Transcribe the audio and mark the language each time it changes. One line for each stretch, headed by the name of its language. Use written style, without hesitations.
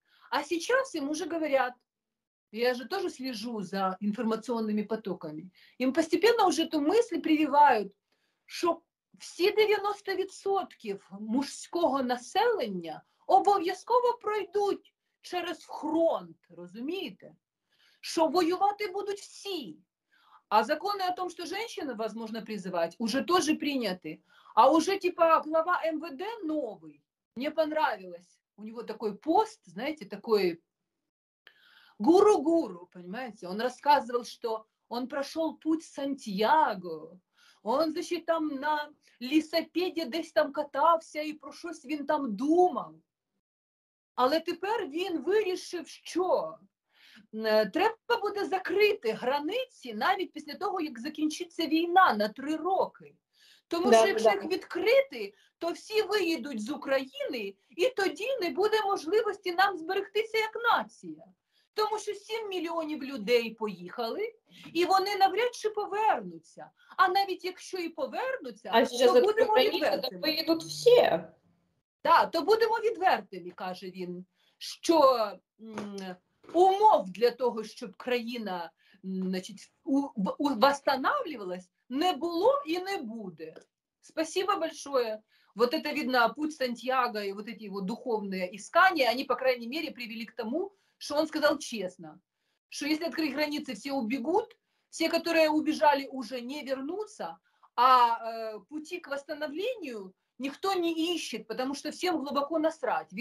Russian: А сейчас им уже говорят, я же тоже слежу за информационными потоками, им постепенно уже эту мысль прививают, что все 90% мужского населения
Ukrainian: обов'язково пройдуть через фронт, розумієте? Що воювати будуть всі. А закони о том, що
Russian: женщину возможно призывать,
Ukrainian: уже теж прийняті. А уже, типа, глава МВД новий. Мені понравилось. У нього такий пост, знаєте, такий гуру-гуру, понимаете? Він розказував, що він пройшов путь Сантьяго. Він, значить, там на лісопеді десь там катався і про щось він там думав. Але тепер він вирішив, що треба буде закрити границі навіть після того, як закінчиться війна на 3 роки. Тому що якщо їх відкрити, то всі виїдуть з України, і тоді не буде можливості нам зберегтися як нація. Тому що 7 мільйонів людей поїхали, і вони навряд чи повернуться. А навіть якщо і повернуться, то будемо відвертими. А виїдуть всі. Так, то будемо відвертими, каже він, що умов для того, щоб країна, значить, восстанавливалась, не було і не буде.
Russian: Спасибо большое. Вот это видно, путь Сантьяго и вот эти его духовные искания, они, по крайней мере, привели к тому, что он сказал честно, что если открыть границы, все убегут, все, которые убежали, уже не вернутся, а пути к восстановлению никто не ищет, потому что всем глубоко насрать.